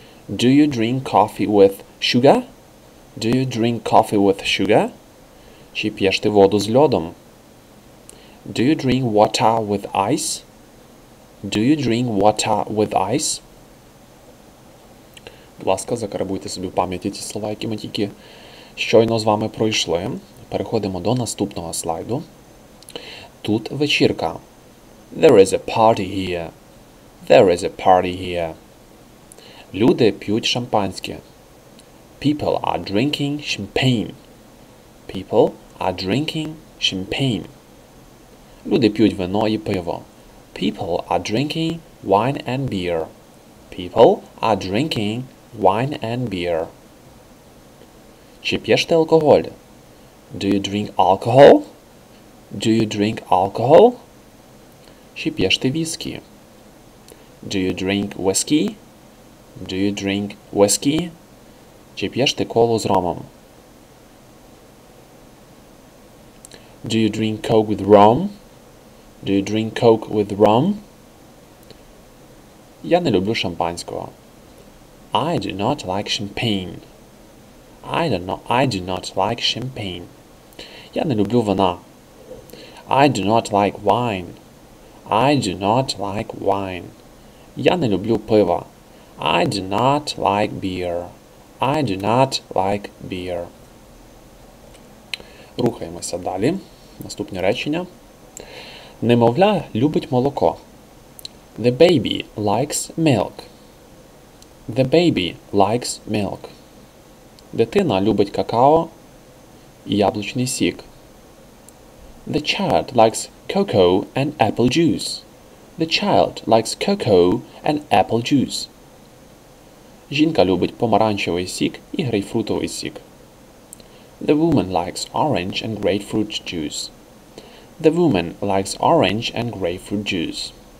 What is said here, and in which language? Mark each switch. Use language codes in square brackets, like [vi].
[en] Do you drink coffee with sugar? Do you drink coffee with sugar? [uk] Чи п'єш ти воду з льодом? [en] Do you drink water with ice? Do you drink water with ice? [uk] Будь ласка, закарбуйте собі в пам'яті ті слова, які ми тільки щойно з вами пройшли. Переходимо до наступного слайду. Тут вечірка. [en] There is a party here. There is a party here. [uk] Люди п'ють шампанське. [en] People are drinking champagne. People are drinking champagne. [uk] Люди п'ють вино і пиво. [en] People are drinking wine and beer. People are drinking wine and beer. [uk] Чи п'єш ти алкоголь? [en] Do you drink alcohol? Do you drink alcohol? [uk] Чи п'єш ти віскі? [en] Do you drink whiskey? Do you drink whiskey? [uk] Чи п'єш ти колу з ромом? [en] Do you drink coke with rum? Do you drink coke with rum? [uk] Я не люблю шампанського. [en] I do not like champagne. I do not like champagne. [uk] Я не люблю вина. [en] I do not like wine. I do not like wine. [uk] Я не люблю пива. [en] I do not like beer. I do not like beer. [uk] Рухаємося далі. Наступне речення. Немовля любить молоко. [en] The baby likes milk. The baby likes milk. [uk] Дитина любить какао і яблучний сік. [en] The child likes cocoa and apple juice. The child likes cocoa and apple juice. [uk] Жінка любить помаранчевий сік і грейпфрутовий сік. [en] The woman likes orange and grapefruit juice. The woman likes orange and grapefruit juice.